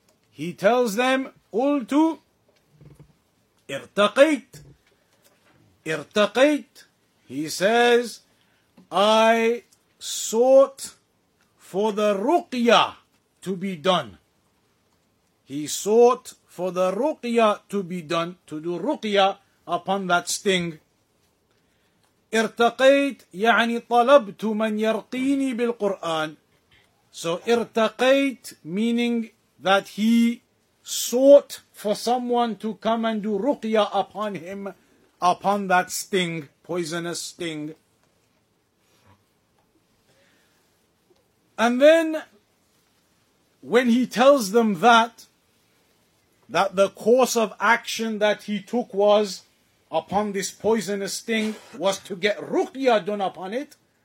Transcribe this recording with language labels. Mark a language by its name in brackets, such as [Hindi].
[English] He tells them, [Arabic] قُلْتُ إِرْتَقَيْتَ. إِرْتَقَيْتَ. [English] He says, I sought for the ruqya to be done. He sought for the ruqya to be done, to do ruqya upon that sting. [Arabic] ارتقيت يعني طلبت من يرقيني بالقرآن. [English] So ارتقيت meaning that he sought for someone to come and do ruqya upon him, upon that sting, poisonous sting. And then when he tells them that the course of action that he took was upon this poisonous sting was to get ruqya done upon it.